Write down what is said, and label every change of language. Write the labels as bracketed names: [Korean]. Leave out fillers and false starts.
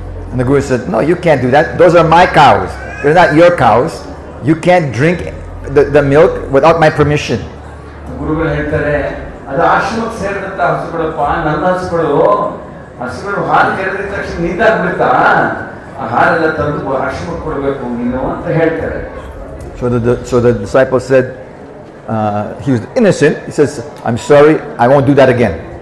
[English] And the guru said, no, you can't do that. Those are my cows. They're not your cows. You can't drink the milk without my permission. [Kannada] ಗುರುಗಳು ಹೇಳ್ತಾರೆ, ಅದು ಆಶ್ರಮಕ್ಕೆ ಸೇರಿದಂತ ಹಸುಗಳಪ್ಪ, ನನ್ನ ಹಸುಗಳು, ಹಸುಗಳು ಹಾಲು ಕೆರೆದ ತಕ್ಷಣ ನಿಂತಾಗ್ಬಿಡ್ತಾ, ಆ ಹಾಲೆಲ್ಲ ತಂದು ಆಶ್ರಮಕ್ಕೆ ಕೊಡಬೇಕು ನೀನು ಅಂತ ಹೇಳ್ತಾರೆ. [English] So the disciple said, he was innocent. He says, I'm sorry, I won't do that again.